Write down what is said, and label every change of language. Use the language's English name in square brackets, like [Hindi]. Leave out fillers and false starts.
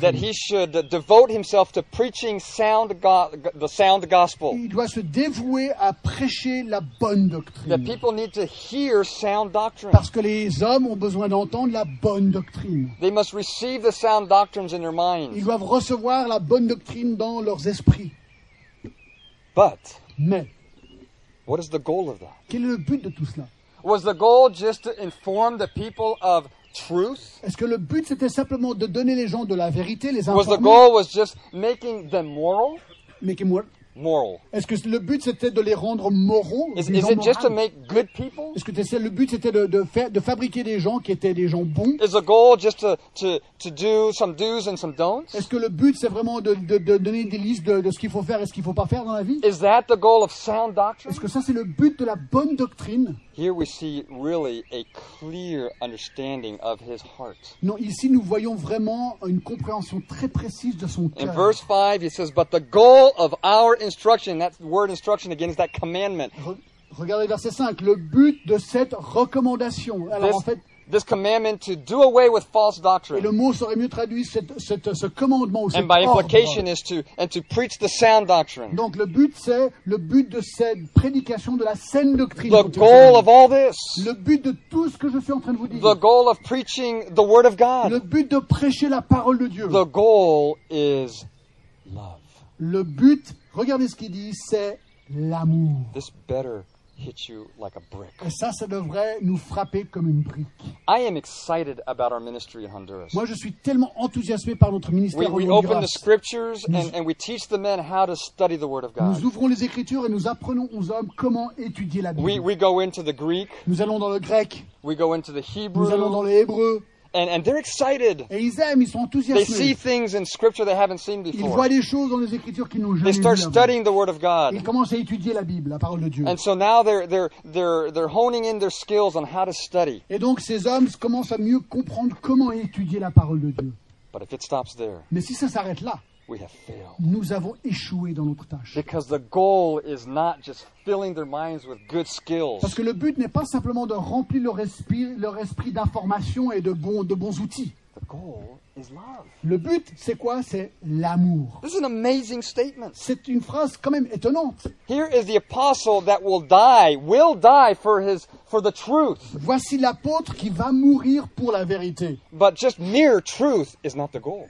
[English] That he should devote himself to preaching the sound gospel. [French] Il doit se dévouer à prêcher la bonne doctrine. [English] That people need to hear sound doctrine. [French] Parce que les hommes ont besoin d'entendre la bonne doctrine. [English] They must receive the sound doctrines in their minds. [French] Ils doivent recevoir la bonne doctrine dans leurs esprits. [English] But [French] Mais, [English] what is the goal of that? [French] Quel est le but de tout cela? [English] Was the goal just to inform the people of truth? [French] Est-ce que le but c'était simplement de donner les gens de la vérité, les informer? [English] Was the goal was just making them moral? Making moral? Moral. [French] Est-ce que le but c'était de les rendre moraux? [English] Is it just to make good people? [French] Est-ce que le but c'était de fabriquer des gens qui étaient des gens bons? [English] Is the goal just to do some do's and some don'ts? [French] Est-ce que le but c'est vraiment de donner des listes de ce qu'il faut faire et ce qu'il faut pas faire dans la vie? [English] Is that the goal of sound doctrine? [French] Est-ce que ça c'est le but de la bonne doctrine? [English] Here we see really a clear understanding of his heart. [French] Non, ici nous voyons vraiment une compréhension très précise de son cœur. [English] In verse 5, he says, "But the goal of our instruction," that word instruction again is that commandment. [French] Regardez verset 5, le but de cette recommandation. Alors [English] this, [French] en fait, [English] This commandment to do away with false doctrine. [French] Et le mot serait mieux traduit ce commandement ou cet ordre. [English] And by implication is to preach the sound doctrine. [French] Donc le but de cette prédication de la saine doctrine. [English] The goal of all this. [French] Le but de tout ce que je suis en train de vous dire. [English] The goal of preaching the word of God. [French] Le but de prêcher la parole de Dieu. [English] The goal is love. [French] Le but, regardez ce qu'il dit, c'est l'amour. [English] This better hit you like a brick. [French] Et ça devrait nous frapper comme une brique. [English] I am excited about our ministry in Honduras. [French] Moi, je suis tellement enthousiasmé par notre ministère en Honduras. [English] We open the scriptures and we teach the men how to study the word of God. [French] Nous ouvrons les écritures et nous apprenons aux hommes comment étudier la Bible. [English] We go into the Greek. [French] Nous allons dans le grec. [English] We go into the Hebrew. [French] Nous allons dans le hébreu. [English] And they're excited. [French] Et ils aiment, ils sont enthousiasmés. [English] They see things in scripture they haven't seen before. [French] Ils voient des choses dans les écritures qu'ils n'ont jamais [English] vues. They start studying the word of God. [French] Ils commencent à étudier la Bible, la parole de Dieu. [English] And so now they're honing in their skills on how to study. [French] Et donc ces hommes commencent à mieux comprendre comment étudier la parole de Dieu. [English] But if it stops there. [French] Mais si ça s'arrête là. [English] We have failed. [French] Nous avons échoué dans notre tâche. [English] Because the goal is not just filling their minds with good skills. [French] Parce que le but n'est pas simplement de remplir leur esprit d'informations et de bons outils. [English] The goal is love. [French] Le but, c'est quoi? C'est l'amour. [English] This is an amazing statement. [French] C'est une phrase quand même étonnante. [English] Here is the apostle that will die for the truth. [French] Voici l'apôtre qui va mourir pour la vérité. [English] But just mere truth is not the goal.